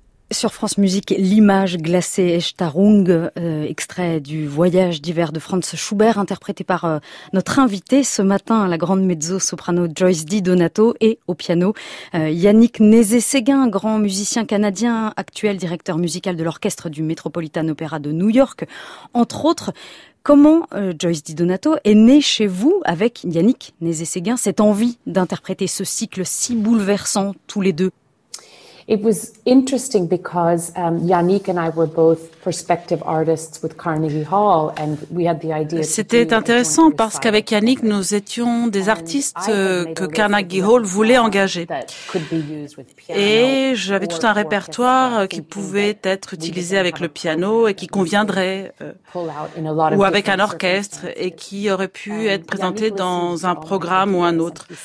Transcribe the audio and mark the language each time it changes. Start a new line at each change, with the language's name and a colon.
French: Sur France Musique, l'image glacée Echtarung, extrait du Voyage d'hiver de Franz Schubert, interprété par notre invité ce matin, la grande mezzo-soprano Joyce Di Donato, et au piano Yannick Nézet-Séguin, grand musicien canadien, actuel directeur musical de l'orchestre du Metropolitan Opera de New York, entre autres. Comment, Joyce Di Donato, est née chez vous, avec Yannick Nézet-Séguin, cette envie d'interpréter ce cycle si bouleversant tous les deux?
English: It was interesting because Yannick and I were both prospective artists with Carnegie Hall, and we had the idea.
French: C'était intéressant parce qu'avec Yannick, nous étions des artistes que Carnegie Hall voulait engager. Et j'avais tout un répertoire qui pouvait être utilisé avec le piano et qui conviendrait, ou avec un orchestre et qui aurait pu être présenté dans un programme ou un autre.